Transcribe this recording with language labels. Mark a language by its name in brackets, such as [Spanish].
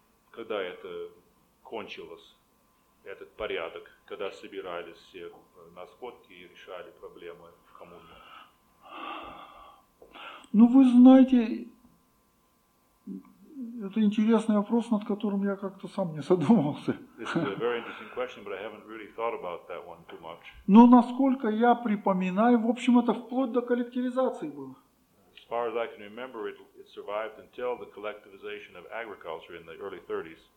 [Russian] Когда это кончилось, этот порядок, когда собирались все на сходке и решали проблемы? Ну, вы знаете, это интересный вопрос, над которым я как-то сам не задумывался. [English] This is a very interesting question, but I haven't really thought about that one too much. [Russian] Но насколько я припоминаю, в общем, это вплоть до коллективизации было. [English] As far as I can remember, it survived until the collectivization of agriculture in the early 30s.